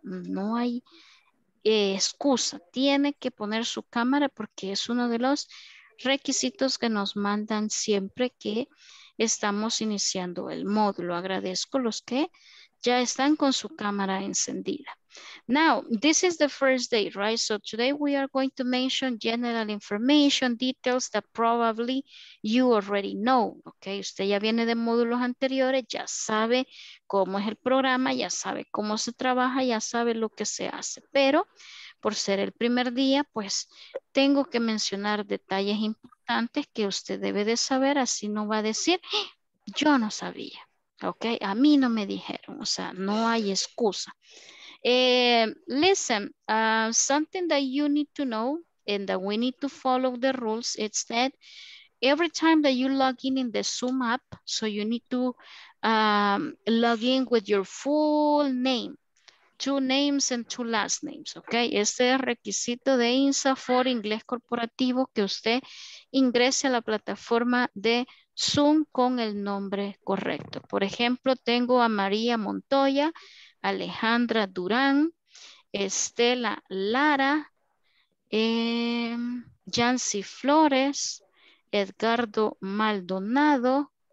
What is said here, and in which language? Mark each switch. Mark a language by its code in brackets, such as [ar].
[es] No hay excusa. Tiene que poner su cámara porque es uno de los requisitos que nos mandan siempre que estamos iniciando el módulo. Agradezco a los que ya están con su cámara encendida. [en] Now, this is the first day, right? So today we are going to mention general information, details that probably you already know, okay? [es] Usted ya viene de módulos anteriores, ya sabe cómo es el programa, ya sabe cómo se trabaja, ya sabe lo que se hace. Pero por ser el primer día, pues tengo que mencionar detalles importantes que usted debe de saber, así no va a decir, yo no sabía, okay? A mí no me dijeron, o sea, no hay excusa. [en] Listen, something that you need to know and that we need to follow the rules is that every time that you log in the Zoom app, so you need to log in with your full name, two names and two last names, okay? [es] Este es el requisito de INSAFOR Inglés Corporativo que usted ingrese a la plataforma de Zoom con el nombre correcto. Por ejemplo, tengo a María Montoya, Alejandra Durán, Estela Lara, Yancy Flores, Edgardo Maldonado.